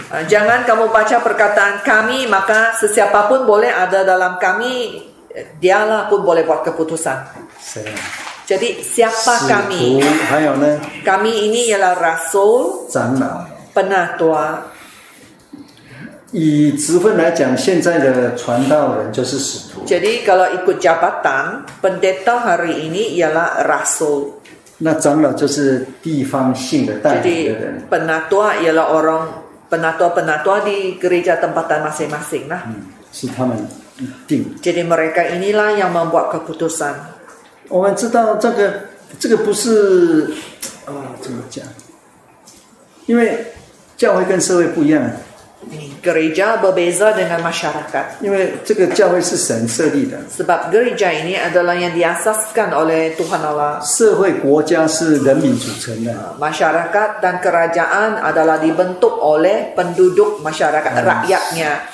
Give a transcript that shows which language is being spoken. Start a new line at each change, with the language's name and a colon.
Malay: Jangan kamu baca perkataan kami maka sesiapapun boleh ada dalam kami dialah pun boleh buat keputusan。 Jadi siapa kami？
Chinese: 还有呢？
Malay: Kami ini ialah rasul。
Chinese: 长老。
Malay: Penatua。
Chinese: 以职分来讲，现在的传道人就是使徒。
Malay: Jadi kalau ikut jabatan pendeta hari ini ialah rasul。
Chinese: 那长老就是地方性的带领的人。
Malay: Jadi penatua ialah orang penatua di gereja tempatan masing-masing lah。
Chinese: 是他们定。
Malay: Jadi mereka inilah yang membuat keputusan。
Chinese: 我们知道这个不是啊、哦，怎么讲？因为教会跟社会不一样。
Malay: Gereja berbeza dengan masyarakat.
Chinese: 因为这个教会是神设立的。
Malay: Sebab gereja ini adalah yang diasaskan oleh Tuhan Allah.
Chinese: 社会国家是人民组成的。
Malay: Masyarakat dan kerajaan adalah dibentuk oleh penduduk masyarakat, rakyatnya.